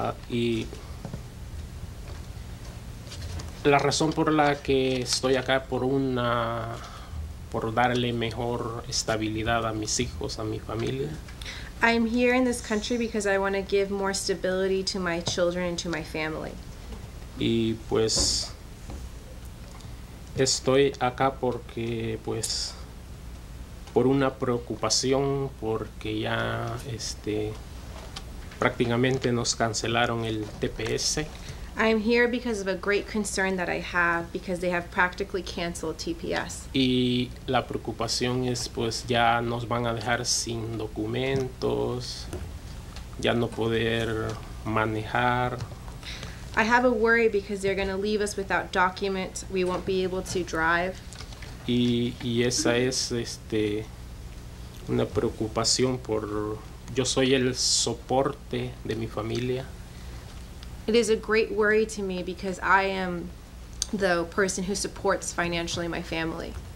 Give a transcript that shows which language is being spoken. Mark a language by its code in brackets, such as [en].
[es] Y la razón por la que estoy acá por darle mejor estabilidad a mis hijos, a mi familia. [en] I am here in this country because I want to give more stability to my children and to my family. [es] Y pues estoy acá porque pues por una preocupación porque ya prácticamente nos cancelaron el TPS. [en] I'm here because of a great concern that I have because they have practically canceled TPS. [es] Y la preocupación es pues ya nos van a dejar sin documentos, ya no poder manejar. [en] I have a worry because they're going to leave us without documents, we won't be able to drive. [es] Y esa es una preocupación por yo soy el soporte de mi familia. [en] It is a great worry to me because I am the person who supports financially my family.